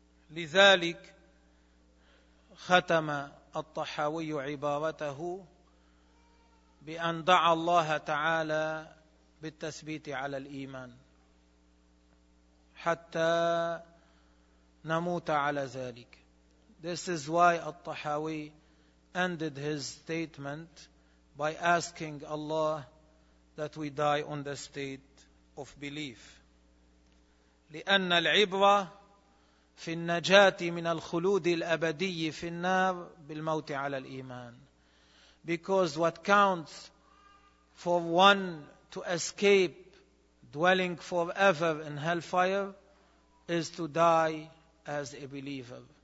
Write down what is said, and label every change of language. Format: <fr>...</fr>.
<ar>لذلك ختم الطحاوي عبارته بأن دعا الله تعالى بالتثبيت على الإيمان حتى نموت على ذلك.</ar> <en>This is why الطحاوي ended his statement by asking Allah that we die on the state of belief.</en> <ar>لأن العبرة في النجاة من الخلود الأبدي في النار بالموت على الإيمان.</ar> <en>Because what counts for one to escape dwelling forever in hellfire is to die as a believer.</en>